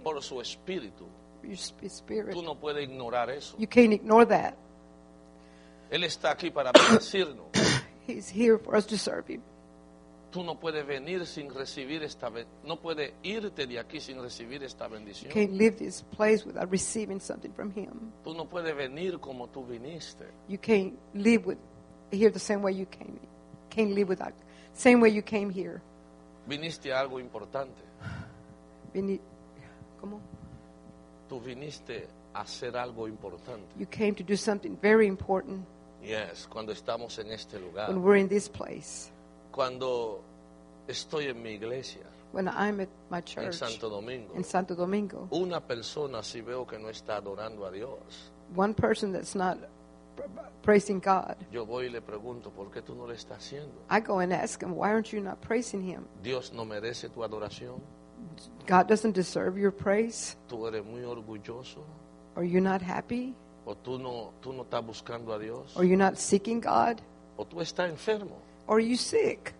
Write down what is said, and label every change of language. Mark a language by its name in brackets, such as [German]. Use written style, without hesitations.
[Spanish] Por su espíritu. [English] Your spirit. [Spanish] Tú no puedes ignorar eso. [English] You can't ignore that. [Spanish] Él está aquí para bendecirnos. [English] He's here for us to serve him. [Spanish] Tú no puedes venir sin recibir esta no puedes irte de aquí sin recibir esta bendición. [English] You can't leave this place without receiving something from him. [Spanish] Tú no puedes venir como tú viniste. [English] You can't leave with here the same way you came. Can't leave without same way you came here. [Spanish] Viniste a algo importante. ¿Cómo? Tú viniste hacer algo importante. [English] You came to do something very important. [Spanish] Yes, cuando estamos en este lugar. [English] When we're in this place. [Spanish] Cuando estoy en mi iglesia. [English] When I'm at my church. [Spanish] En Santo Domingo. [English] In Santo Domingo. [Spanish] Una persona si veo que no está adorando a Dios. [English] One person that's not praising God. [Spanish] Yo voy y le pregunto, ¿por qué tú no le estás haciendo? [English] I go and ask him, why aren't you not praising him? [Spanish] Dios no merece tu adoración. [English] God doesn't deserve your praise. [Spanish] Tú eres muy orgulloso. [English] Are you not happy? [Spanish] O tú no estás buscando a Dios. [English] Are you not seeking God? [Spanish] O tú estás enfermo. [English] Are you sick?